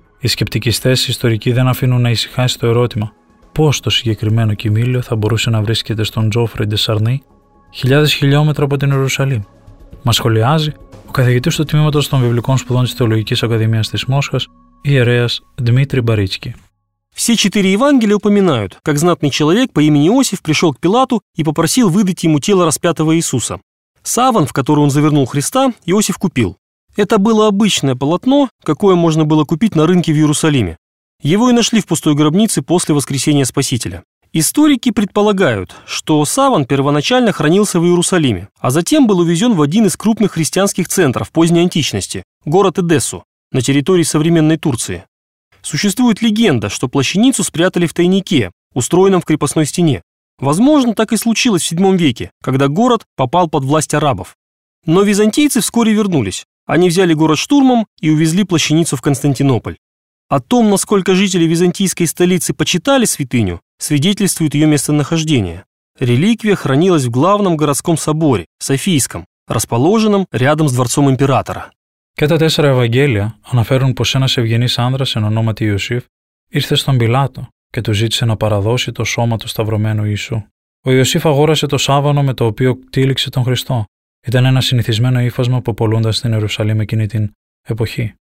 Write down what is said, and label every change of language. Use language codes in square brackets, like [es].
[el] Οι σκεπτικιστές ιστορικοί δεν αφήνουν να ησυχάσει το ερώτημα πώς το συγκεκριμένο κοιμήλιο θα μπορούσε να βρίσκεται στον Τζόφρι Ντε Σάρνι, 1000 χιλιόμετρα από την Ιερουσαλήμ. Μας σχολιάζει ο καθηγητής του Τμήματος των Βιβλικών Σπουδών της Θεολογικής Ακαδημίας της Μόσχας, ιερέας Δημήτρη Μπαρίτσκι. [ru] Все четыре Евангелия упоминают, как знатный человек по имени Иосиф пришел к Пилату и попросил выдать ему тело распятого Иисуса. Саван, в который он завернул Христа, Иосиф купил. Это было обычное полотно, какое можно было купить на рынке в Иерусалиме. Его и нашли в пустой гробнице после воскресения Спасителя. Историки предполагают, что саван первоначально хранился в Иерусалиме, а затем был увезен в один из крупных христианских центров поздней античности – город Эдессу, на территории современной Турции. Существует легенда, что плащаницу спрятали в тайнике, устроенном в крепостной стене. Возможно, так и случилось в VII веке, когда город попал под власть арабов. Но византийцы вскоре вернулись. Они взяли город штурмом и увезли плащаницу в Константинополь. О том, насколько жители византийской столицы почитали святыню, свидетельствует ее местонахождение. Реликвия хранилась в главном городском соборе, Софийском, расположенном рядом с дворцом императора. [el] Και τα τέσσερα Ευαγγέλια αναφέρουν πως ένας ευγενής άνδρας εν ονόματι Ιωσήφ ήρθε στον Πιλάτο και του ζήτησε να παραδώσει το σώμα του σταυρωμένου Ιησού. Ο Ιωσήφ αγόρασε το σάβανο με το οποίο τήληξε τον Χριστό. Ήταν ένα συνηθισμένο ύφασμα που πολλούνταν στην Ιερουσαλήμ εκείνη την εποχή.